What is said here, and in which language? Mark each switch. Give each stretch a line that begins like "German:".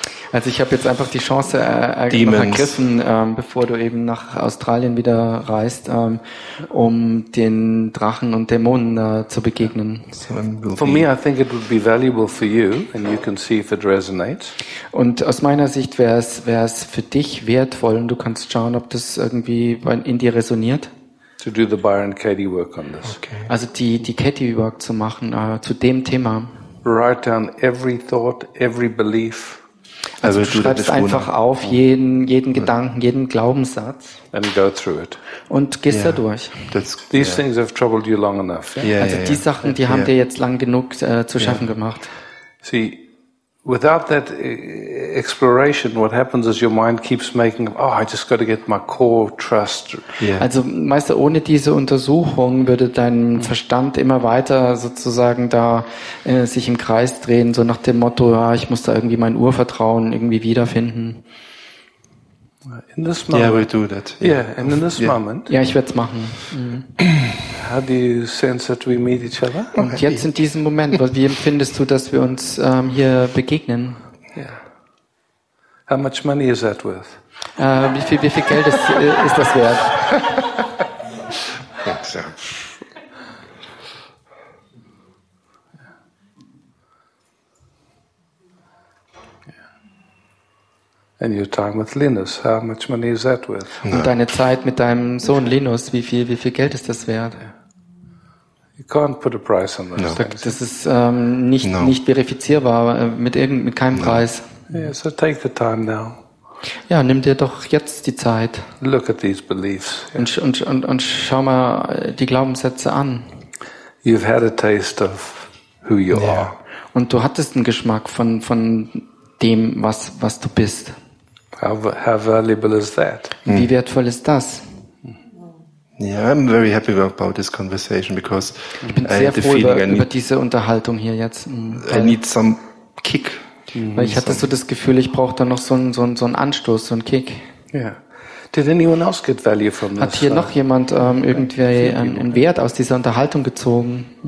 German: also ich habe jetzt einfach die Chance ergriffen, bevor du eben nach Australien wieder reist, um den Drachen und Dämonen zu begegnen.
English: For me, I think it would be valuable for you, and you can see if it resonates.
German: Und aus meiner Sicht wär's für dich wertvoll, und du kannst schauen, ob das irgendwie in dir resoniert.
English: To do the Byron Katie work on this. Okay.
German: Also die Katie work zu machen zu dem Thema.
English: Write down every thought, every belief.
German: Also du schreibst einfach auf jeden Gedanken, jeden Glaubenssatz
English: and go through it.
German: Und gehst da durch.
English: These things have troubled you long enough.
German: Yeah, also die Sachen, die haben dir jetzt lang genug zu schaffen gemacht.
English: See, without that exploration, what happens is your mind keeps making up, oh, I just got to get my core trust. Yeah.
German: Also meistens ohne diese Untersuchung würde dein Verstand immer weiter sozusagen da sich im Kreis drehen, so nach dem Motto, ja, ich muss da irgendwie mein Urvertrauen irgendwie wiederfinden.
English: In this moment. Yeah, we'll do that. Yeah, and in this moment.
German: Ja, ich werde es machen.
English: How do you sense that we meet each other?
German: Und jetzt in diesem Moment, wie empfindest du, dass wir uns hier begegnen?
English: How much money is that worth?
German: Wie viel Geld ist das wert?
English: And your time with Linus, how much money is that worth?
German: Und deine Zeit mit deinem Sohn Linus, wie viel Geld ist das wert?
English: You can't put a price on this. No.
German: Das ist nicht verifizierbar mit keinem Preis.
English: Yeah, so take the time now.
German: Ja, nimm dir doch jetzt die Zeit.
English: Look at these beliefs.
German: Und schau mal die Glaubenssätze an.
English: You've had a taste of who you are.
German: Und du hattest einen Geschmack von dem, was du bist.
English: How valuable is that?
German: Wie wertvoll ist das?
English: Yeah, I'm very happy about this conversation because
German: ich bin sehr froh über diese Unterhaltung hier jetzt.
English: I need some kick.
German: Weil ich hatte so das Gefühl, ich brauche da noch so einen Anstoß, so einen Kick.
English: Yeah. Did anyone else get value from this?
German: Hat hier noch jemand irgendwie einen Wert aus dieser Unterhaltung gezogen?